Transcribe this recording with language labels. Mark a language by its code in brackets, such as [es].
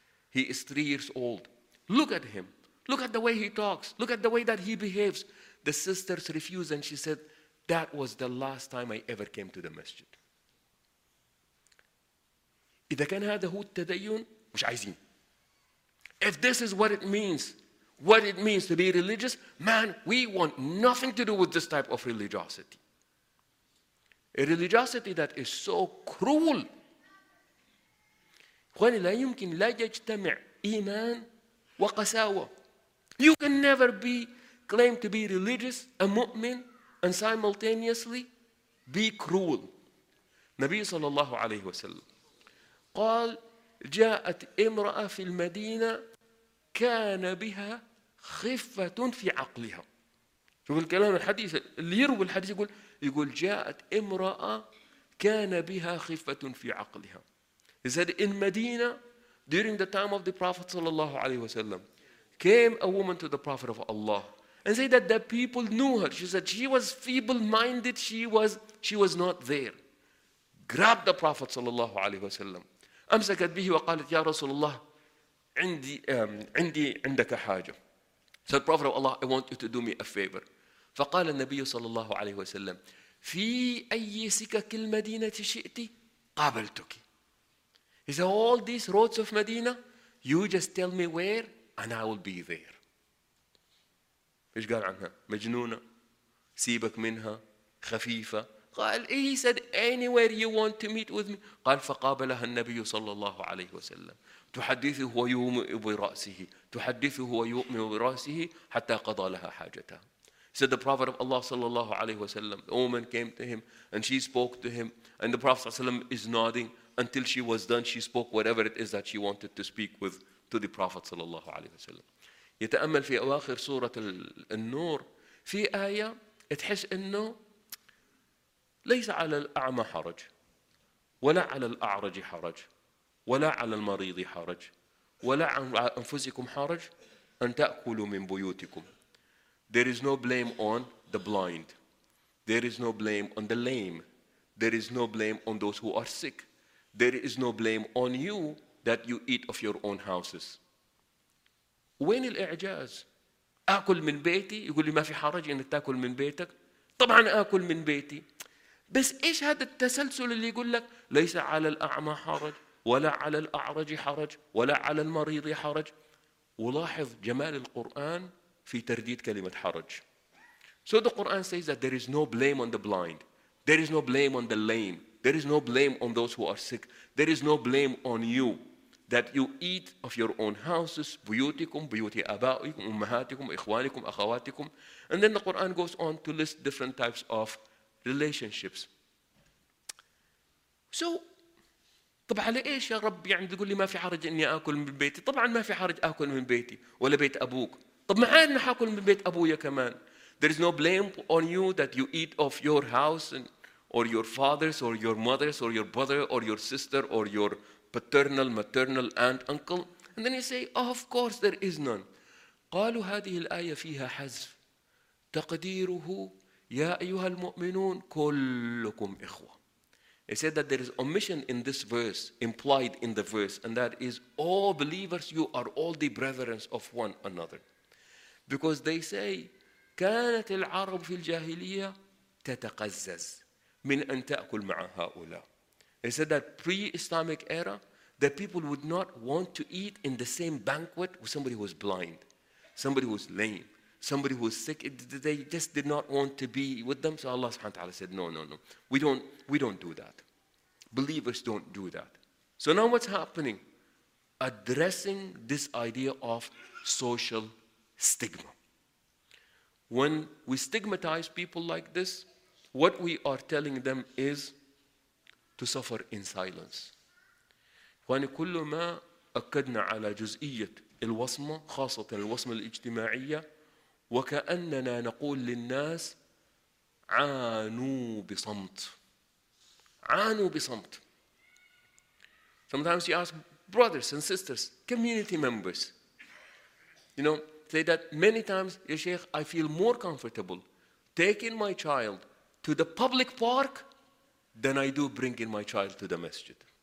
[en] He is 3 years old. Look at him. Look at the way he talks. Look at the way that he behaves. The sisters refused and she said, that was the last time I ever came to the masjid. [ar] إذا كان هذا هو التدين مش عايزين. [en] If this is what it means, what it means to be religious, man, we want nothing to do with this type of religiosity. A religiosity that is so cruel. [ar] إخواني لا يمكن لا يجتمع إيمان وقساوة. [en] You can never be claimed to be religious, a mu'min, and simultaneously be cruel. [ar] نبي صلى الله عليه وسلم قال جاءت امرأة في المدينة كان بها خفة في عقلها. شوف الكلام الحديث اللي يروي الحديث يقول جاءت امرأة كان بها خفة في عقلها. [en] He said in Medina during the time of the Prophet صلى الله عليه وسلم came a woman to the Prophet of Allah and said that the people knew her. She said she was feeble-minded. She was not there. Grabbed the Prophet [ar] صلى الله عليه وسلم. أمسكت به وقالت يا رسول الله عندي عندك حاجة. [en] Said Prophet of Allah, I want you to do me a favor. [ar] فقال النبي صلى الله عليه وسلم في أي سكك المدينة شئتي قابلتك. [en] He said all these roads of Medina, you just tell me where and I will be there. [ar] إيش قال عنها؟ مجنونة سيبك منها خفيفة. قال [en] he said anywhere you want to meet with me. [ar] قال فقابلها النبي صلى الله عليه وسلم تحدثه ويؤمئ برأسه تحدثه ويؤمئ برأسه حتى قضى لها حاجتها. [en] He said the Prophet of Allah صلى الله عليه وسلم, the woman came to him and she spoke to him and the Prophet صلى الله عليه وسلم is nodding until she was done. She spoke whatever it is that she wanted to speak with to the Prophet صلى الله عليه وسلم. [ar] يتأمل في أواخر سورة النور في آية تحس أنه ليس على الأعمى حرج ولا على الأعرج حرج ولا على المريض حرج ولا عن أنفسكم حرج أن تأكلوا من بيوتكم. [en] There is no blame on the blind. There is no blame on the lame. There is no blame on those who are sick. There is no blame on you that you eat of your own houses. [ar] وين الإعجاز؟ أكل من بيتي؟ يقول لي ما في حرج إنك تأكل من بيتك؟ طبعا أكل من بيتي. بس إيش هذا التسلسل اللي يقول لك ليس على الأعمى حرج ولا على الأعرج حرج ولا على المريض حرج؟ ولاحظ جمال القرآن في ترديد كلمة حرج. [en] So the Quran says that there is no blame on the blind. There is no blame on the lame. There is no blame on those who are sick. There is no blame on you that you eat of your own houses, [ar] بيوتكم, بيوت آبائكم, أمهاتكم, إخوانكم, أخواتكم. [en] And then the Quran goes on to list different types of relationships. [ar] So, طبعا لإيش يا رب يعني تقول لي ما في حرج إني أكل من بيتي؟ طبعا ما في حرج أكل من بيتي ولا بيت أبوك. طب معاي إني حاكل من بيت أبويا كمان. [en] There is no blame on you that you eat of your house and or your father's or your mother's or your brother or your sister or your paternal, maternal aunt, uncle. And then you say, oh, of course there is none. [ar] قالوا هذه الآية فيها حذف تقديره يا أيها المؤمنون كلكم إخوة. [en] He said that there is omission in this verse, implied in the verse, and that is all believers, you are all the brethren of one another. Because they say, [ar] كانت العرب في الجاهلية تتقزز من أن تأكل مع هؤلاء. [en] They said that pre-Islamic era, the people would not want to eat in the same banquet with somebody who was blind, somebody who was lame, somebody who was sick. They just did not want to be with them. So Allah subhanahu wa ta'ala said, no. We don't do that. Believers don't do that. So now what's happening? Addressing this idea of social stigma. When we stigmatize people like this, what we are telling them is to suffer in silence. [ar] وكل ما أكدنا على جزئية الوصمة خاصة الوصمة الاجتماعية وكأننا نقول للناس عانوا بصمت عانوا بصمت. [en] Sometimes you ask brothers and sisters, community members, you know, say that many times, [ar] يا شيخ, [en] I feel more comfortable taking my child to the public park than I do bringing my child to the masjid.